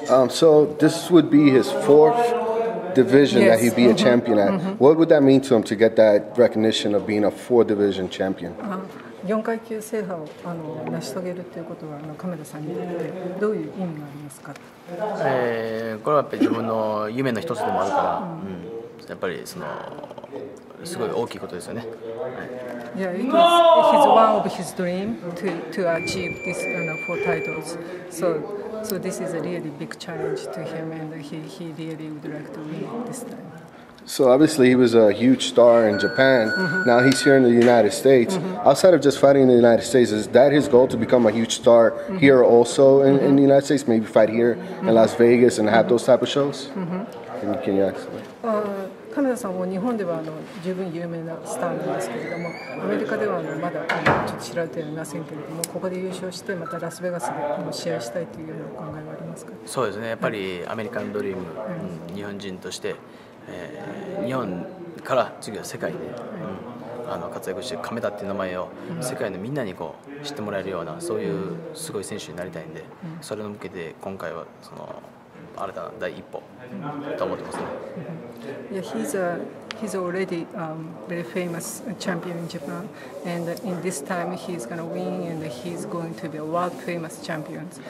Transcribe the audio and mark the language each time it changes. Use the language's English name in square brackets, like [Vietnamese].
[English] So this would be his fourth division yes. that he'd be a champion at. What would that mean to him to get that recognition of being a four division champion? [Japanese] 4階級制覇を成し遂げるということは、カメラさんにとってどういう意味がありますか？これはやっぱり自分の夢の一つでもあるから、やっぱりすごい大きいことですよね。 [English] Yeah, it is his one of his dream to achieve this four titles. So this is a really big challenge to him, and he really would like to win this time. So obviously he was a huge star in Japan. Now he's here in the United States. Outside of just fighting in the United States, is that his goal to become a huge star here also in the United States? Maybe fight here in Las Vegas and have those type of shows? Can you explain? [Japanese] カメダさんも日本では十分有名なスターなんですけれども、アメリカではまだちょっと知られていませんけれども、ここで優勝して、またラスベガスで試合したいというようなお考えはありますか？そうですね、やっぱりアメリカンドリーム、日本人として、日本から次は世界で、活躍して、カメダっていう名前を世界のみんなにこう知ってもらえるような、そういうすごい選手になりたいんで、それに向けて今回は新たな第一歩と思ってますね。 [English] Yeah, he's already very famous champion in Japan, and in this time he's gonna win, and he's going to be a world famous champion.